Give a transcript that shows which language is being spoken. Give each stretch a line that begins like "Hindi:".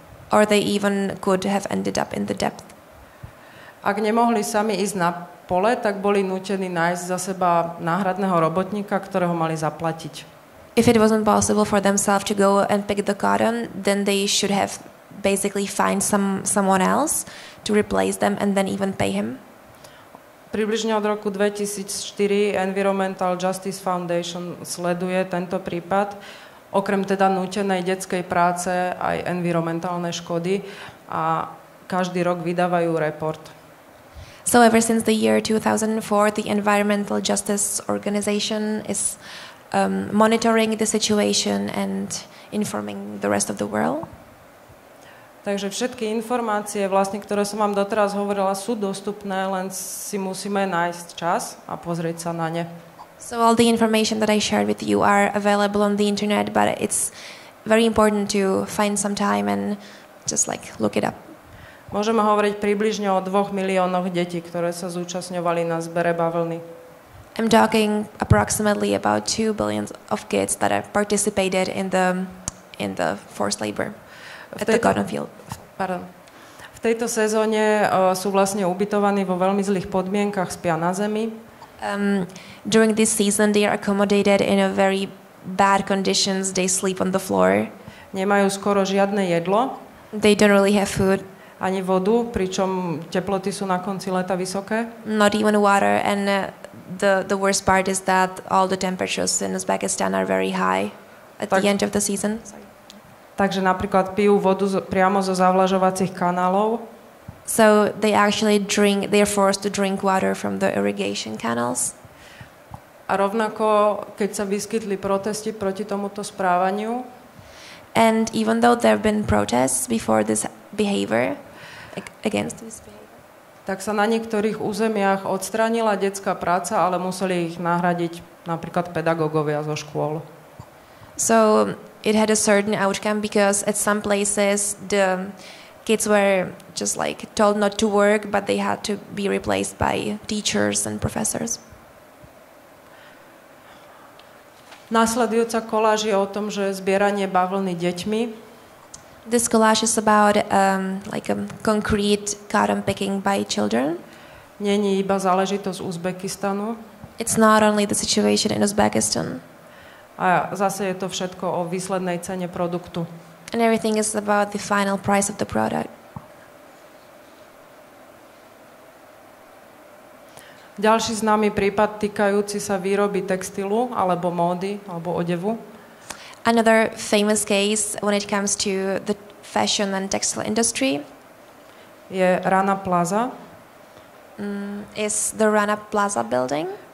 English: Or they even could have ended up in the debt.
Slovak: Ak nemohli sami ísť na pole, tak boli nútení nájsť za seba náhradného robotníka, ktorého mali zaplatiť.
English: If it wasn't possible for themselves to go and pick the cotton, then they should have basically find someone else to replace them and then even pay him.
Slovak: Približne od roku 2004 Environmental Justice Foundation sleduje tento prípad, okrem teda nútenej detskej práce aj environmentálne škody, a každý rok vydávajú report.
English: So ever since the year 2004, the Environmental Justice Organization is monitoring the situation and informing the rest of the world.
Slovak: Takže všetky informácie, vlastne, ktoré som vám doteraz hovorila, sú dostupné, len si musíme nájsť čas a pozrieť sa na ne.
English: So all the information that I shared with you are available on the internet, but it's very important to find some time and just like look it up.
Slovak: Môžeme hovoriť približne o 2 miliónoch detí, ktoré sa zúčastňovali na zbere bavlny.
English: I'm talking approximately about 2 billion of kids that have participated in the forced labor.
Slovak: V tejto sezóne sú vlastne ubytovaní vo veľmi zlých podmienkach, spia na zemi.
English: During this season they are accommodated in a very bad conditions, they sleep on the floor.
Slovak: Nemajú skoro žiadne jedlo.
English: They don't really have food.
Slovak: Ani vodu, pričom teploty sú na konci leta vysoké.
English: Not even water, and the worst part is that all the temperatures in Uzbekistan are very high the end of the season.
Slovak: Takže napríklad pijú vodu priamo zo zavlažovacích kanálov.
English: So they actually drink, they are forced to drink water from the irrigation canals.
Slovak: A rovnako, keď sa vyskytli protesty proti tomuto správaniu.
English: And even though there have been protests before this behavior, against this behavior.
Slovak: Tak sa na niektorých územiach odstránila detská práca, ale museli ich nahradiť napríklad pedagógovia zo škôl.
English: So it had a certain outcome because at some places the kids were just like told not to work, but they had to be replaced by teachers and professors.
Slovak: Nasledujúca koláž je o tom, že zbieranie bavlny deťmi.
English: This collage is about like a concrete cotton picking by children.
Slovak: Není iba záležitosť Uzbekistanu.
English: It's not only the situation in Uzbekistan.
Slovak: A zase je to všetko o výslednej cene produktu.
English: And everything is about the final price of the product.
Slovak: Ďalší známy prípad týkajúci sa výroby textilu alebo módy alebo odevu.
English: Another famous case when it comes to the fashion and textile industry
Slovak: je Rana Plaza.
English: Is the Rana Plaza building,